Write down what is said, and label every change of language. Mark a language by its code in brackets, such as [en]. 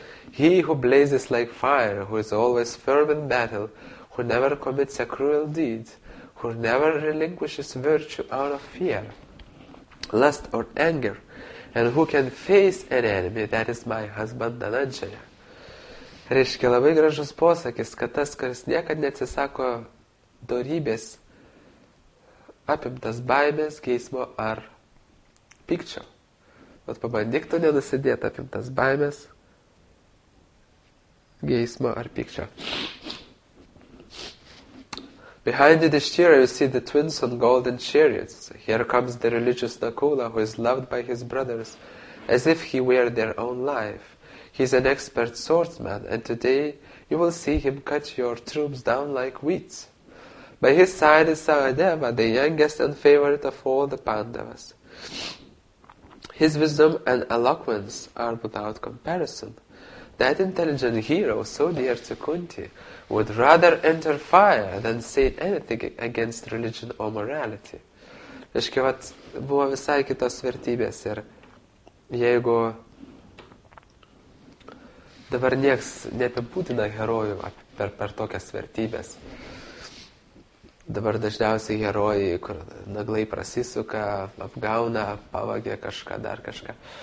[en] He who blazes like fire, who is always firm in battle, who never commits a cruel deed, who never relinquishes virtue out of fear, lust or anger, and who can face an enemy, that is my husband, Dananjaya. [lt] Reiškia, labai gražus posakis, kad tas, kuris niekad neatsisako dorybės, apimtas baimės, geismo ar pykčio. Vat pabandyk tu nenusidėti apimtas baimės, geismo ar pykčio. [en] Behind Yudhishthira, you see the twins on golden chariots. Here comes the religious Nakula, who is loved by his brothers as if he were their own life. He is an expert swordsman, and today you will see him cut your troops down like wheat. By his side is Sahadeva, the youngest and favorite of all the Pandavas. His wisdom and eloquence are without comparison. That intelligent hero, so dear to Kunti, would rather enter fire than say anything against religion or morality. [lt] Reiškia, vat, buvo visai kitos vertybės ir jeigu dabar nieks neapibūdina herojų per tokias vertybės. Dabar dažniausiai herojai, kur naglai prasisuka, apgauna, pavagė kažką, dar kažką.